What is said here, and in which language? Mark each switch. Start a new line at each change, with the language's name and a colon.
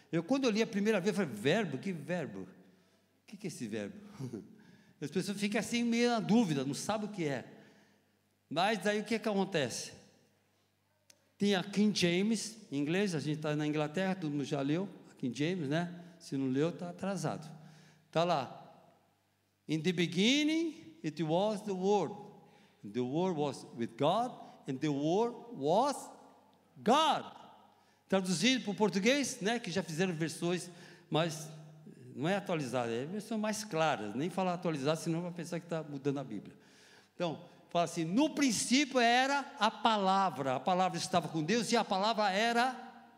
Portuguese: Quando eu li a primeira vez, eu falei: verbo? Que verbo? O que é esse verbo? As pessoas ficam assim, meio na dúvida, não sabem o que é. Mas daí o que é que acontece? Tem a King James, em inglês, a gente está na Inglaterra, todo mundo já leu a King James, né? Se não leu, está atrasado. Está lá:
English: in the beginning, it was the Word. The Word was with God, and the Word was God.
Portuguese: Traduzindo para o português, né, que já fizeram versões, mas não é atualizada, é versão mais clara. Nem falar atualizada, senão vai pensar que está mudando a Bíblia. Então, fala assim: no princípio era a palavra estava com Deus e a palavra era?